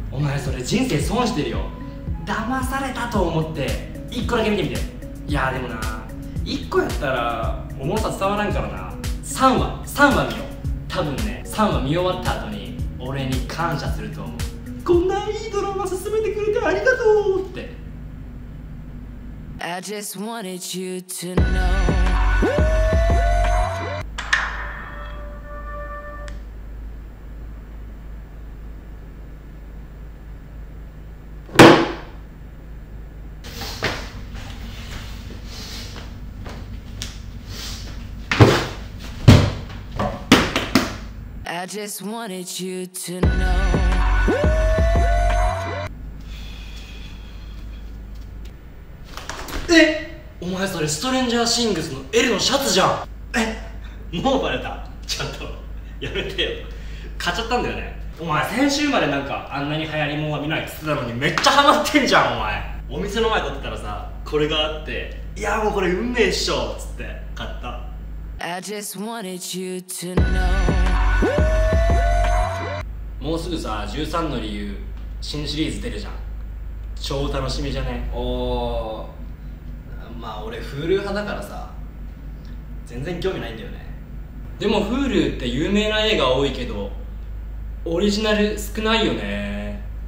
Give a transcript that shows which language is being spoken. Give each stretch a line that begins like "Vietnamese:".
Japanese: お前それ人生損してるよ。騙されたと思って一個だけ見てみて。いやでもな、一個やったら重さ伝わらんからな。 3話見よう。多分ね、3話見終わった後に俺に感謝すると思う。こんないいドラマ進めてくれてありがとうって。
English: I just wanted you to know。 I just wanted you to know。
Japanese: え、お前それストレンジャーシングスの L のシャツじゃん。え、もうバレた。ちょっとやめてよ。買っちゃったんだよね。お前先週までなんかあんなに流行りもんは見ないっつってたのにめっちゃハマってんじゃん。お前お店の前撮ってたらさ、これがあって、いやもうこれ運命っしょっつって買った。
English: I just wanted you to know。
Japanese: もうすぐさ、13の理由新シリーズ出るじゃん。超楽しみじゃね。おー、まあ俺 Hulu 派だからさ全然興味ないんだよね。でも Hulu って有名な映画多いけどオリジナル少ないよね。